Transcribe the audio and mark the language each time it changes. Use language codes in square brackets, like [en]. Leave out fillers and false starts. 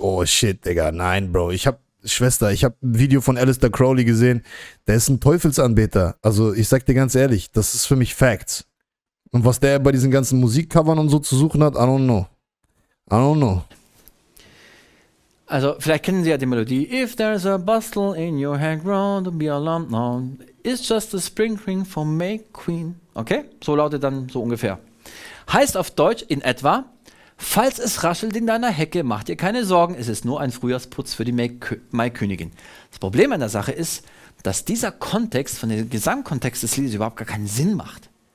[en] Oh shit, [de] Digga, nein, Bro. Ich hab ein Video von Aleister Crowley gesehen, der ist ein Teufelsanbeter. Also ich sag dir ganz ehrlich, das ist für mich Facts. Und was der bei diesen ganzen Musikcovern und so zu suchen hat, [en] I don't know. [de] Also, vielleicht kennen Sie ja die Melodie. [en] If there's a bustle in your background, don't be alarmed now. It's just a spring ring for May Queen. [de] Okay, so lautet dann so ungefähr. Heißt auf Deutsch in etwa, falls es raschelt in deiner Hecke, mach dir keine Sorgen, es ist nur ein Frühjahrsputz für die May-Königin. Das Problem an der Sache ist, dass dieser Kontext, von dem Gesamtkontext des Liedes überhaupt gar keinen Sinn macht.